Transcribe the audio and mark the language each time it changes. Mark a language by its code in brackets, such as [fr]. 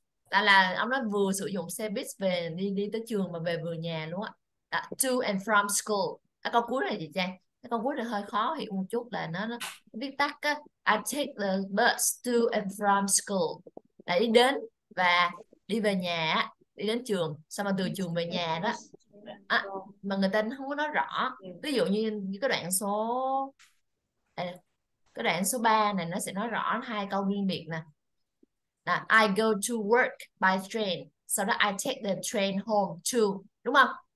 [vi] Là ông nói vừa sử dụng xe buýt về đi đi tới trường mà về vừa nhà luôn á. [en] To and from school. [vi] À, câu cuối này chị Trang. Con quýt này hơi khó hiểu một chút là nó viết tắt á. [en] I take the bus to and from school. [vi] Là đi đến và đi về nhà, đi đến trường, xong mà từ trường về nhà đó. Mà người ta không có nói rõ. Ví dụ như cái đoạn số cái đoạn số 3 này nó sẽ nói rõ hai câu riêng biệt nè. Là [en] I go to work by train, [vi] sau đó [en] I take the train home to, [vi] đúng không?